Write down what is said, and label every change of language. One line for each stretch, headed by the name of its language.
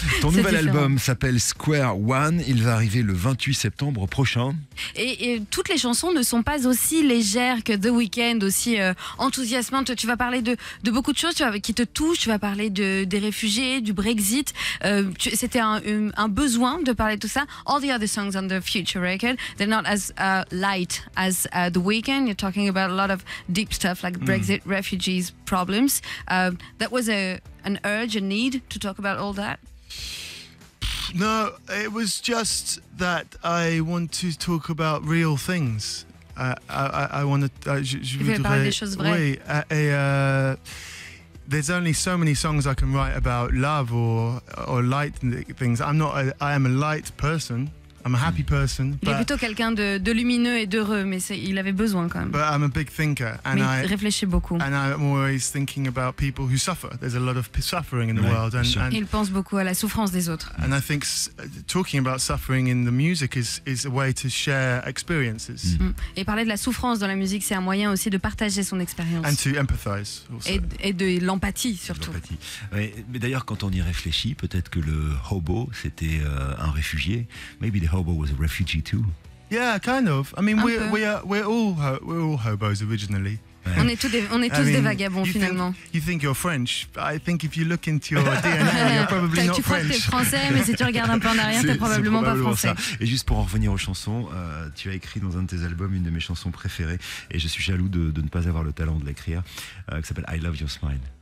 French: Ton nouvel album s'appelle Square One, il va arriver le 28 septembre prochain. Et toutes les chansons ne sont pas aussi légères que The Weeknd, aussi enthousiasmantes. Tu vas parler de beaucoup de choses qui te touchent, tu vas parler des réfugiés, du Brexit. C'était un besoin de parler de tout ça.
English: All the other songs on the future record, they're not as light as The Weeknd. You're talking about a lot of deep stuff like Brexit, refugees, problems. That was an urge, a need to talk about all that? No, it was just that I want to talk about real things. There's only so many songs I can write about love or light things. I am a light person. I'm a happy person.
French: Il est plutôt quelqu'un de lumineux et d'heureux, mais il avait besoin quand même.
English: But I'm a big thinker, and
French: mais il réfléchit beaucoup.
English: And I'm always thinking about people who suffer. There's a lot of suffering in the world.
French: And il pense beaucoup à la souffrance des autres.
English: And I think talking about suffering in the music is a way to share experiences. Mm.
French: Et parler de la souffrance dans la musique, c'est un moyen aussi de partager son expérience.
English: And to empathize also.
French: Et de l'empathie surtout. L'empathie. Mais d'ailleurs, quand on y réfléchit, peut-être que le hobo, c'était un réfugié.
English: Maybe the hobo was a refugee too. Yeah, kind of. I mean, we're all hobos originally. Yeah.
French: On est tous des vagabonds finalement.
English: You think you're French? I think if you look into your DNA, you're probably not French.
French: Tu crois que t'es français, mais si tu regardes un peu en arrière, t'es probablement pas français. Ça. Et juste pour en revenir aux chansons, tu as écrit dans un de tes albums une de mes chansons préférées, et je suis jaloux de ne pas avoir le talent de l'écrire, qui s'appelle I Love Your Smile.